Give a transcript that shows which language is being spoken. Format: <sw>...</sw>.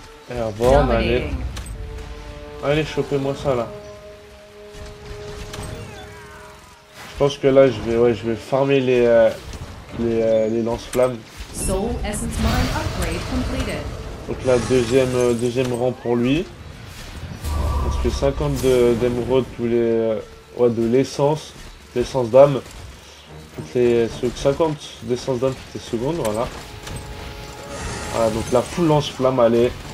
<fr>Airborne, allez. Allez, chopez-moi ça là. Je pense que là, je vais farmer les lance-flammes.</fr> <en>Soul Essence Mine upgrade completed.</en> <fr>Donc là, deuxième rang pour lui. Parce que 50 d'émeraude tous les... ouais, de l'essence d'âme. Toutes les... 50 d'essence d'âme toutes les secondes, voilà. Voilà, donc la full lance-flamme, allez.</fr>